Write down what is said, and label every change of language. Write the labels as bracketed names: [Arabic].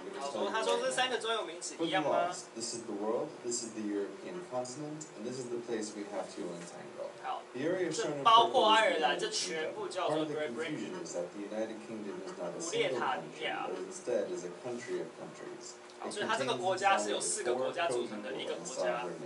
[Chinese] 好，他说这三个专有名词一样吗？ [English] This is the world. This is the European continent, and this is the place we have to untangle. [Chinese] 好，所以它这个国家是由4个国家组成的一个国家。